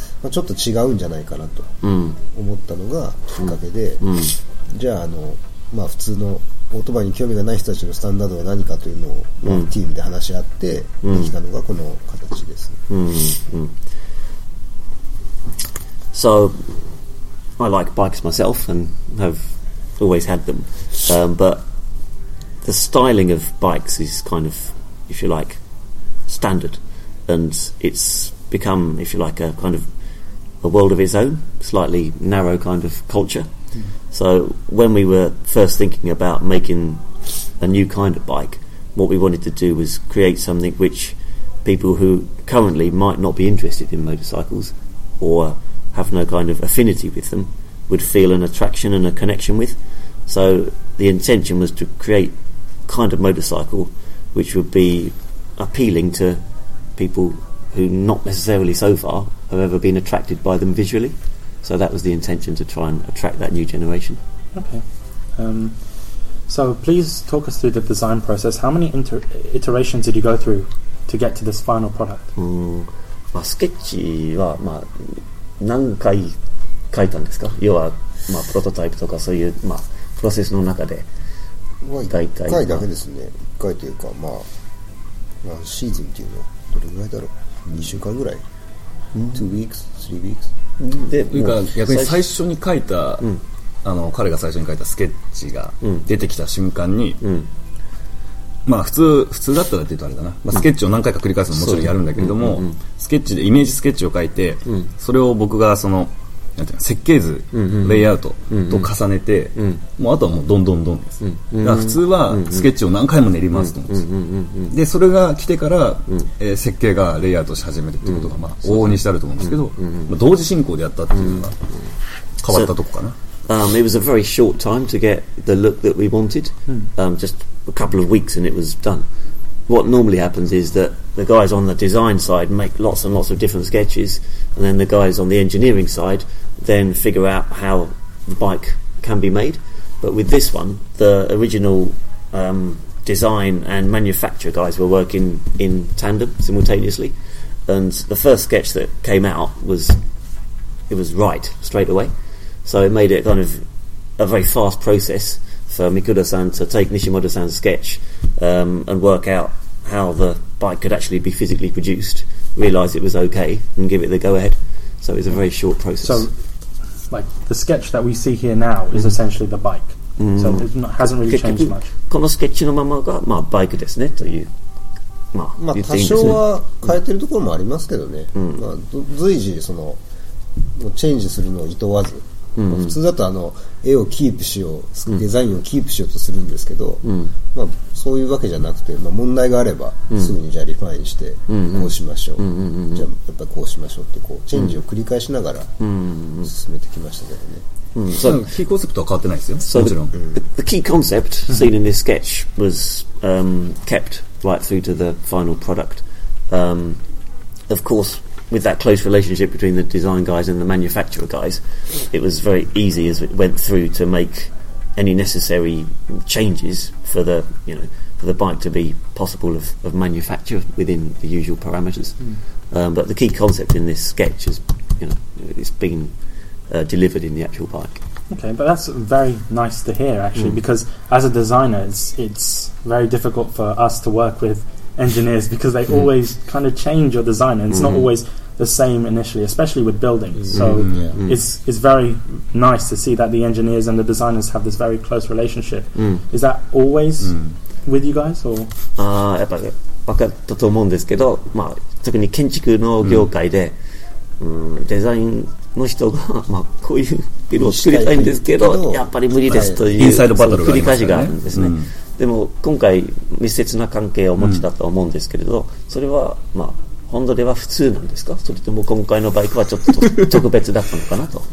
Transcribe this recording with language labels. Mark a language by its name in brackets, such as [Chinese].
[Japanese] ちょっと違うんじゃないかなと思ったのがきっかけで、じゃあ、まあ普通のオートバイに興味がない人たちのスタンダードは何かというのをチームで話し合ってできたのがこの形です。 [English] So I like bikes myself and have always had them. But the styling of bikes is kind of, if you like, standard, and it's become, if you like, a kind of a world of its own, slightly narrow kind of culture. So when we were first thinking about making a new kind of bike, what we wanted to do was create something which people who currently might not be interested in motorcycles or have no kind of affinity with them would feel an attraction and a connection with. So the intention was to create kind of motorcycle which would be appealing to people who not necessarily so far have ever been attracted by them visually. So that was the intention, to try and attract that new generation. Okay. So please talk us through the design process. How many iterations did you go through to get to this final product? [Japanese] スケッチは何回描いたんですか? 要はプロトタイプとかそういうプロセスの中で 1回だけですね。1回というか、シーズンっていうのはどれぐらいだろう。2週間ぐらい。 [English] 2 weeks、3 weeks。 [Japanese] で、逆に最初に書いたあの彼が最初に書いたスケッチが出てきた瞬間に、うん、まあ普通だったらって言うとあれだな、まあ、スケッチを何回か繰り返すのももちろんやるんだけれども、うんうんうん、スケッチでイメージスケッチを書いて、うん、それを僕がそのなんていうの設計図、うんうんうん、レイアウトと重ねて、うんうん、もうあとはもうどんどんどんです、うん、だから普通はスケッチを何回も練りますと思うんです。それが来てから、うん設計がレイアウトし始めるっていうことがまあ往々にしてあると思うんですけど、うんうんうん、まあ、同時進行でやったっていうのが変わったとこかな。 [English] It was a very short time to get the look that we wanted, just a couple of weeks and it was done. What normally happens is that the guys on the design side make lots and lots of different sketches, and then the guys on the engineering side then figure out how the bike can be made. But with this one, the original design and manufacturer guys were working in tandem simultaneously, and the first sketch that came out was, it was right straight away. So it made it kind of a very fast process for Mikuda-san to take Nishimoto-san's sketch and work out how the bike could actually be physically produced, realise it was okay, and give it the go-ahead. So it was a very short process. So, like, the sketch that we see here now is essentially the bike. Mm. So it hasn't really changed much. [Japanese] このスケッチのままがまあバイクですねという。まあ、多少は変えてるところもありますけどね。まあ、随時そのチェンジするのを厭わず。うんうん、普通だとあの絵をキープしよう、うん、デザインをキープしようとするんですけど、うん、まあ、そういうわけじゃなくて、まあ、問題があればすぐにじゃあリファインしてこうしましょう、うんうん、じゃあやっぱこうしましょうってこうチェンジを繰り返しながら進めてきましたけどね。そのキーコンセプトは変わってないですよ、 [English] so、 [Japanese] もちろん [English] the key concept seen in this sketch was kept right through to the final product. Of course,with that close relationship between the design guys and the manufacturer guys, it was very easy as it went through to make any necessary changes for the, you know, for the bike to be possible of manufacture within the usual parameters. Mm. But the key concept in this sketch is, you know, it's been delivered in the actual bike. Okay, but that's very nice to hear, actually, because as a designer, it's very difficult for us to work withengineers because they always kind of change your design and it's not always the same initially, especially with buildings. So it's very nice to see that the engineers and the designers have this very close relationship. Is that always with you guys? Or? [Japanese] やっぱり分かったと思うんですけど、まあ、特に建築の業界で、デザインの人が、まあ、こういうビルを作りたいんですけど、やっぱり無理ですという、インサイドバトルがありますね、繰り返しがあるんですね。でも今回密接な関係をお持ちだと思うんですけれど、それはまあ本土では普通なんですか、それとも今回のバイクはちょっ と特別だったのかなと。